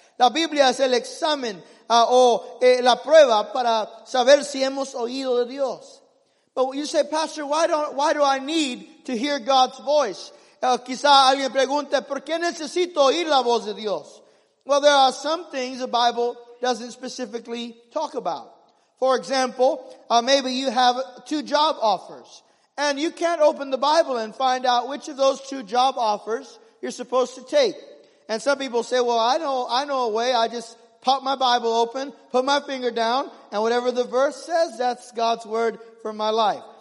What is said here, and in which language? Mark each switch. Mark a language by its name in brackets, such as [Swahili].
[Spanish] La Biblia es el examen o la prueba para saber si hemos oído de Dios. [English] But you say, Pastor, why do I need to hear God's voice? [Spanish] Quizá alguien pregunte, ¿por qué necesito oír la voz de Dios? [English] Well, there are some things the Bible doesn't specifically talk about. For example, maybe you have two job offers, and you can't open the Bible and find out which of those two job offers you're supposed to take. And some people say, well, I know a way. I just pop my Bible open, put my finger down, and whatever the verse says, that's God's word for my life.